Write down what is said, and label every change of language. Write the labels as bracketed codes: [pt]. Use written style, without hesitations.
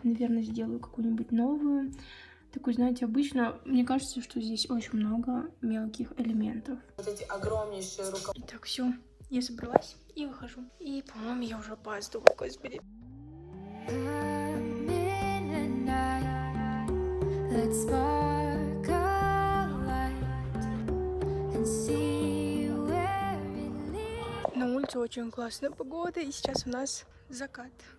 [ru] Наверное, сделаю какую-нибудь новую. Такую, знаете, обычно, мне кажется, что здесь очень много мелких элементов. Вот эти огромнейшие рукава. Итак, все, я собралась и выхожу. И, по-моему, я уже опаздываю, господи. [en] Let's spark a light and see where it leads. [ru] На улице очень классная погода, и сейчас у нас закат.